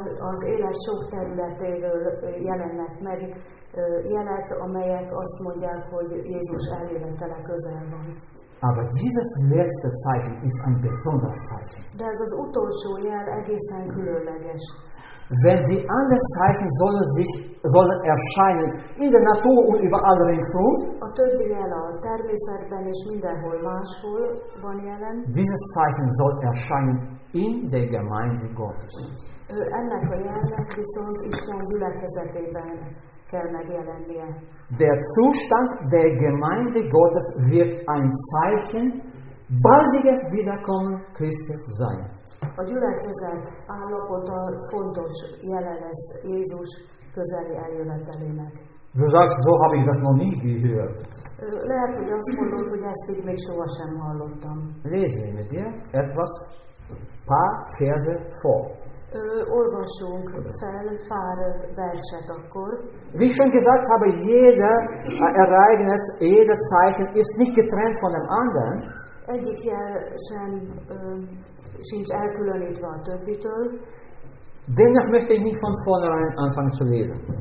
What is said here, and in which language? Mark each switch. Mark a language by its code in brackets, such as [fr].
[hu] Az élet sok területéről jelennek meg jelek, amelyek azt mondják, hogy Jézus eljövetele közel van. [de] Aber dieses letzte Zeichen ist ein besonderes Zeichen. [hu] De ez az utolsó jel egészen különleges. [de] Wenn die anderen Zeichen sollen erscheinen in der Natur und überall ringsum. [hu] A többi jel a természetben és mindenhol máshol van jelen. [de] Dieses Zeichen soll erscheinen in der Gemeinde Gottes. [hu] Ennek a jelnek viszont Isten gyülekezetében kell megjelennie. [de] Der Zustand der Gemeinde Gottes wird ein Zeichen baldiges Wiederkommen Christi sein. [hu] A gyülekezet állapota fontos jele lesz Jézus közeli eljövetelének. [de] Du sagst, so habe ich das noch nie gehört. [hu] Lehet, hogy azt mondod, hogy ezt így még sohasem hallottam. [de] Lesen mit dir etwas, paar Verse vor. [hu] Olvassunk fel pár verset akkor. [de] Wie ich schon gesagt habe, jeder Ereignis, jedes Zeichen ist nicht getrennt von dem anderen. [hu] Egyik jel sem sincs elkülönítve a többitől. [de] Dennoch möchte ich nicht von vornherein anfangen zu lesen.